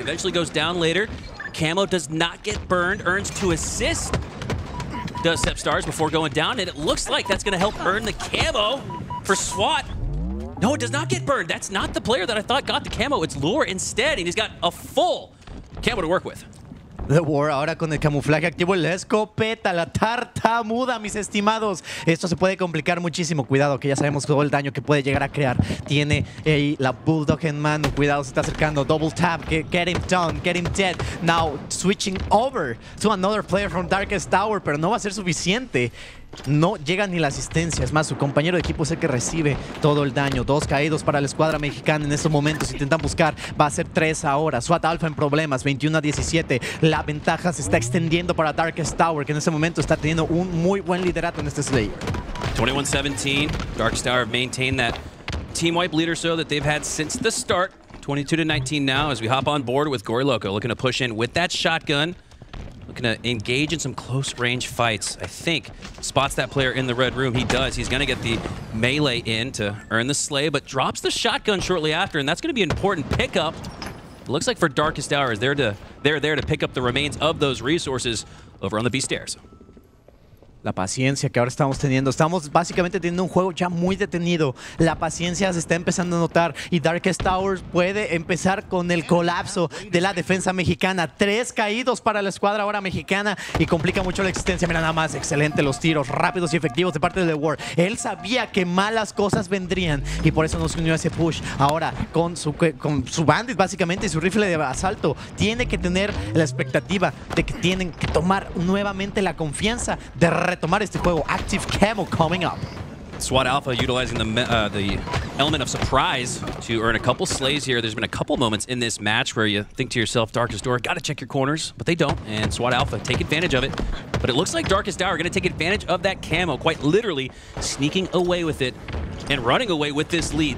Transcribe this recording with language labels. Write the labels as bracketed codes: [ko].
[en] Eventually goes down later. Camo does not get burned, earns two assists, does Sepstars before going down, and it looks like that's going to help earn the camo for SWAT. No, it does not get burned. That's not the player that I thought got the camo. It's Leuor instead, and he's got a full camo to work with. [es] Leuor ahora con el camuflaje activo, la escopeta, la tartamuda, mis estimados. Esto se puede complicar muchísimo. Cuidado, que ya sabemos todo el daño que puede llegar a crear. Tiene ahí la Bulldog en mano. Cuidado, se está acercando. [en] Double tap, get him done, get him dead. Now switching over to another player from Darkest Tower, [es] pero no va a ser suficiente. No llega ni la asistencia. Es más, su compañero de equipo es el que recibe todo el daño. Dos caídos para la escuadra mexicana en estos momentos. Si intentan buscar, va a ser 3 ahora. SWAT Alpha en problemas, 21-17. La ventaja se está extendiendo para Darkest Tower, que en este momento está teniendo un muy buen liderato en este Slayer. 21-17. [en] Darkest Tower have maintained that team wipe leader so that they've had since the start. 22-19 now as we hop on board with GoryCrazy, looking to push in with that shotgun. Looking to engage in some close range fights, I think. Spots that player in the red room. He does. He's going to get the melee in to earn the slay, but drops the shotgun shortly after, and that's going to be an important pickup. It looks like for Darkest Hour, they're there to pick up the remains of those resources over on the B stairs. [es] La paciencia que ahora estamos teniendo. Estamos básicamente teniendo un juego ya muy detenido. La paciencia se está empezando a notar y Darkest Towers puede empezar con el colapso de la defensa mexicana. 3 caídos para la escuadra ahora mexicana y complica mucho la existencia. Mira nada más, excelente los tiros rápidos y efectivos de parte de Leuor. Él sabía que malas cosas vendrían y por eso nos unió a ese push. Ahora con su Bandit básicamente y su rifle de asalto, tiene que tener la expectativa de que tienen que tomar nuevamente la confianza de retomar este juego. [en] Active Camo coming up. SWAT Alpha utilizing the element of surprise to earn a couple slays here. There's been a couple moments in this match where you think to yourself, Darkest Dour, gotta check your corners, but they don't, and SWAT Alpha take advantage of it. But it looks like Darkest Dour are gonna take advantage of that camo, quite literally sneaking away with it and running away with this lead.